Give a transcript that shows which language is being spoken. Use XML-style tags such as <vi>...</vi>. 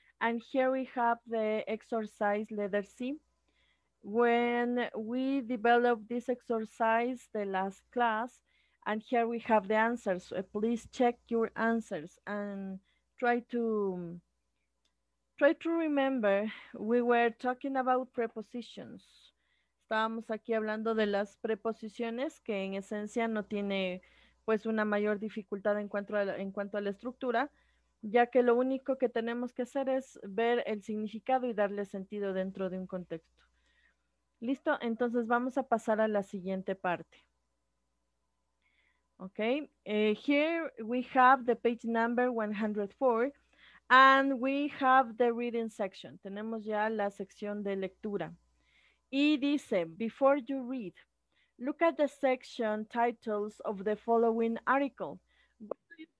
<en>And here we have the exercise letter C. When we developed this exercise the last class, and here we have the answers. So please check your answers and try to remember. We were talking about prepositions.</en> <es>Estábamos aquí hablando de las preposiciones, que en esencia no tiene pues una mayor dificultad en cuanto a la estructura, ya que lo único que tenemos que hacer es ver el significado y darle sentido dentro de un contexto. ¿Listo? Entonces vamos a pasar a la siguiente parte. Ok.</es> <en>Here we have the page number 104 and we have the reading section.</en> <es>Tenemos ya la sección de lectura. Y dice,</es> <en>before you read, look at the section titles of the following article. What do</en> <es>you</es>